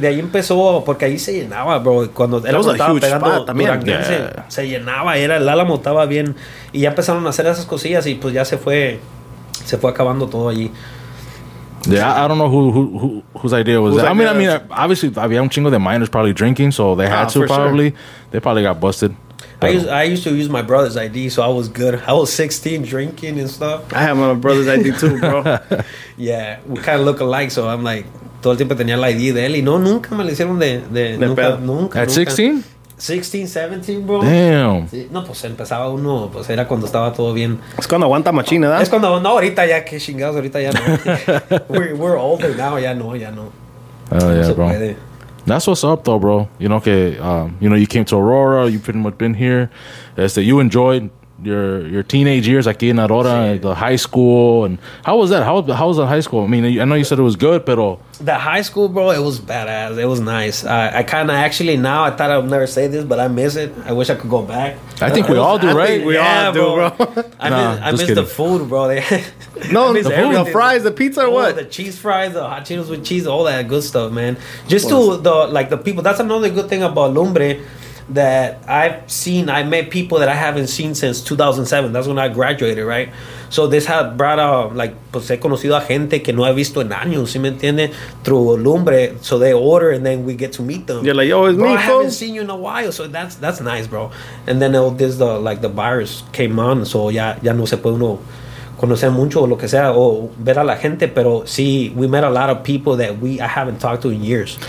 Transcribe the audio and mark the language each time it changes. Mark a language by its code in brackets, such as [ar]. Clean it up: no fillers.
[es] De ahí empezó, porque ahí se llenaba, bro. Cuando [en] that was a huge pegando, spot, también. [es] Se llenaba, era el Alamo, estaba bien. Y ya empezaron a hacer esas cosillas y pues ya se fue acabando todo allí. [en] Yeah, I don't know whose idea was that. I mean, obviously, [es] había un chingo de [en] minors probably drinking, so they had to probably. Sure. They probably got busted. I used to use my brother's ID, so I was good. I was 16 drinking and stuff. I have my brother's ID too, bro. Yeah, we kind of look alike, so I'm like, [es] todo el tiempo tenía el ID de él, y no, nunca me lo hicieron de nunca. [en] At 16? 16, 17, bro. Damn. [es] No, pues empezaba uno, pues era cuando estaba todo bien. Es cuando aguanta machina, ¿verdad? Es cuando, no, ahorita ya, qué chingados, ahorita ya no. [en] we're older now, [es] ya no. [en] Oh, yeah, bro. That's what's up, though, bro. You know, you came to Aurora, you pretty much been here. You enjoyed your teenage years [es] aquí en Aurora, [en] the high school. And how was that? How was the high school? I mean, I know you said it was good, [es] pero... [en] The high school, bro, it was badass. It was nice. I kind of actually now, I thought I would never say this, but I miss it. I wish I could go back. I think we all do, right? We all do, bro. I miss the food, bro. No, the food, the fries, the pizza, or what? The cheese fries, the hot cheetos with cheese, all that good stuff, man. Just the people. That's another good thing about Lumbre. That I met people that I haven't seen since 2007. That's when I graduated, right? So this has brought out, like, [es] pues he conocido a gente que no he visto en años, ¿sí me entiende? [en] Through Lumbre. So they order and then we get to meet them. You're like, yo, it's bro, me, bro. I haven't seen you in a while. So that's nice, bro. And then the virus came on. [es] So ya no se puede uno conocer mucho o lo que sea o ver a la gente. Pero sí, [en] we met a lot of people that I haven't talked to in years.